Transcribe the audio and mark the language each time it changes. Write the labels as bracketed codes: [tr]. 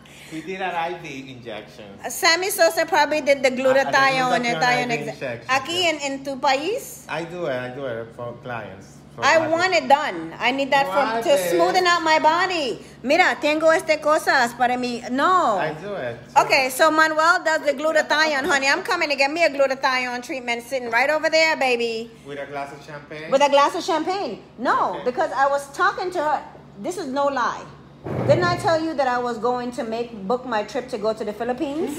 [en] He did an IV injection. Sammy Sosa probably did the glutathione. Injection. [es] Aquí en tu país? [en] I do it for clients. I want it done. I need that for to smoothen out my body. [es] Mira, tengo este cosas para mí. [en] No. I do it. Okay, so Manuel does the glutathione, honey. I'm coming to get me a glutathione treatment sitting right over there, baby. With a glass of champagne? With a glass of champagne. No, okay. Because I was talking to her. This is no lie. Didn't I tell you that I was going to book my trip to go to the Philippines?